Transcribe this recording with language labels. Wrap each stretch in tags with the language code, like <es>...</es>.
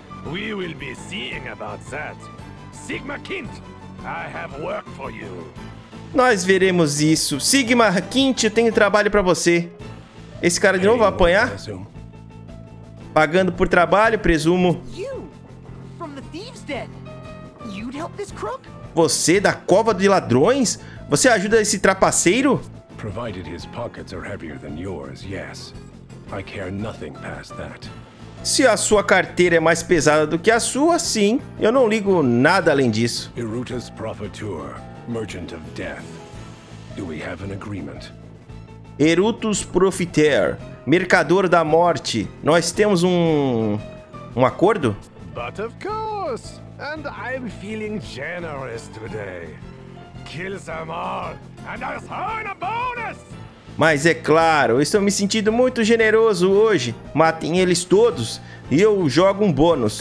<en>We will be seeing about that. Sigma Quint, I have work for you.</en> <pt>Nós veremos isso. Sigma Quint, eu tenho trabalho pra você. Esse cara de novo vai apanhar? Pagando por trabalho, presumo.</pt> <en>You, from the thieves' den. You'd help this crook?</en> <pt>Você, da cova de ladrões? Você ajuda esse trapaceiro?</pt> <en>Provided his pockets are heavier than yours, yes. I care nothing past that.</en> <pt>Se a sua carteira é mais pesada do que a sua, sim. Eu não ligo nada além disso.</pt> <en>Irutas Profitur, Merchant of Death. Do we have an agreement?</en> <pt>Erutus Profiter, Mercador da Morte. Nós temos um acordo?</pt> <en>But of course. And I'm feeling generous today. Kill them all and I'll earn a bonus.</en> <pt>Mas é claro, estou me sentindo muito generoso hoje. Matem eles todos e eu jogo um bônus.</pt>